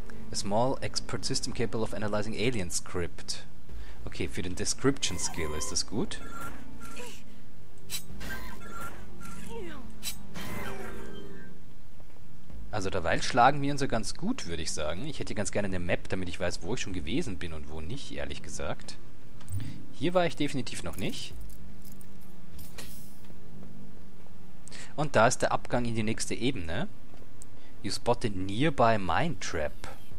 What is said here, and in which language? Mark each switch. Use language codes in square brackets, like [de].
[en] A small expert system capable of analyzing alien script. [de] Okay, für den Description Skill ist das gut. Also derweil schlagen wir uns ja ganz gut, würde ich sagen. Ich hätte ganz gerne eine Map, damit ich weiß, wo ich schon gewesen bin und wo nicht, ehrlich gesagt. Hier war ich definitiv noch nicht. Und da ist der Abgang in die nächste Ebene. [en] You spotted nearby mine trap.